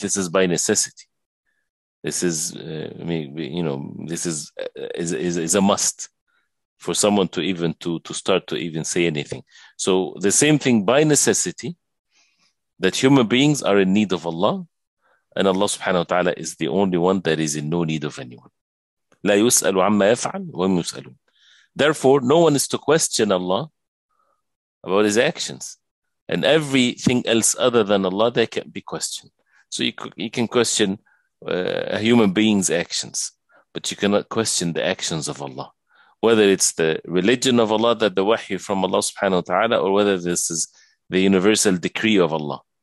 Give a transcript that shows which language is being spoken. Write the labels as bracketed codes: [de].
[en] This is by necessity. This is, this is a must for someone to even to start to even say anything. So the same thing by necessity, that human beings are in need of Allah, and Allah subhanahu wa ta'ala is the only one that is in no need of anyone. [ar] لا يسأل عما يفعل وهم يسألون. [en] Therefore, no one is to question Allah about his actions. And everything else other than Allah, they can be questioned. So you can question a human being's actions, but you cannot question the actions of Allah. Whether it's the religion of Allah, that the wahy from Allah subhanahu wa ta'ala, or whether this is the universal decree of Allah.